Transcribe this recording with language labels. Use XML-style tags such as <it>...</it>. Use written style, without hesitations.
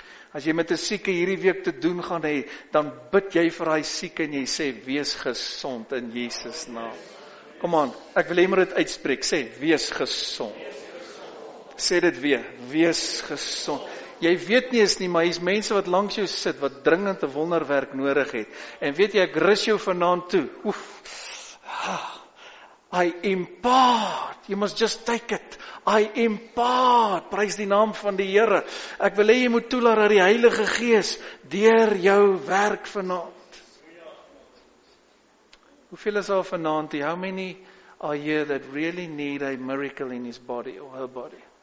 <af>As jy met 'n sieke hierdie week te doen gaan hê, dan bid jy vir hy sieke en jy sê, wees gesond in Jesus naam. Kom aan, ek wil jy maar dit uitspreek, sê, wees gesond. Sê dit weer, wees gesond. Jy weet nie eens nie, maar hier is mense wat langs jou sit, wat dringend 'n wonderwerk nodig het. En weet jy, ek rus jou vanaand toe.</af> <en>Oef, I impart, you must just take it. I impart,</en> <af>prys die naam van die Here. Ek wil hê jy moet toelaat dat die Heilige Gees deur jou werk vanaand. Hoeveel is al vanaand?</af> <en>How many are here that really need a miracle in his body or her body?</en>